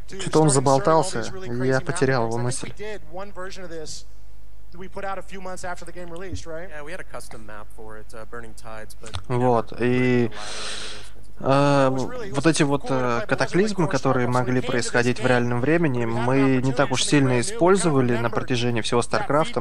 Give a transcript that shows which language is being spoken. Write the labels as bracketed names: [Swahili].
[Russian] Что-то он заболтался, really я потерял его мысль. [English] We did one version of this that we put out a few months after the game released, right? Yeah, we had a custom map for it, Burning Tides, but... [Russian] Вот, и... вот эти вот катаклизмы, которые могли происходить в реальном времени, мы не так уж сильно использовали на протяжении всего StarCraft'а.